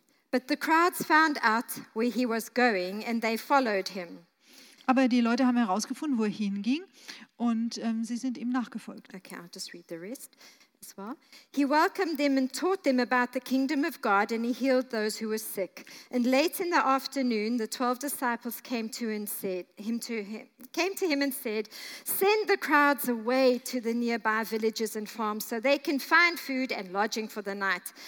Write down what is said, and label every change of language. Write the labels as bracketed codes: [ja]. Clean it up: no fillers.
[en] But the crowds found out where he was going and they followed him. [de] Aber die Leute haben herausgefunden, wo er hinging und sie sind ihm nachgefolgt. [en] Okay, I'll just read the rest as well. He welcomed them and taught them about the kingdom of God and he healed those who were sick. And late in the afternoon, the 12 disciples came to him and said, send the crowds away to the nearby villages and farms so they can find food and lodging for the night.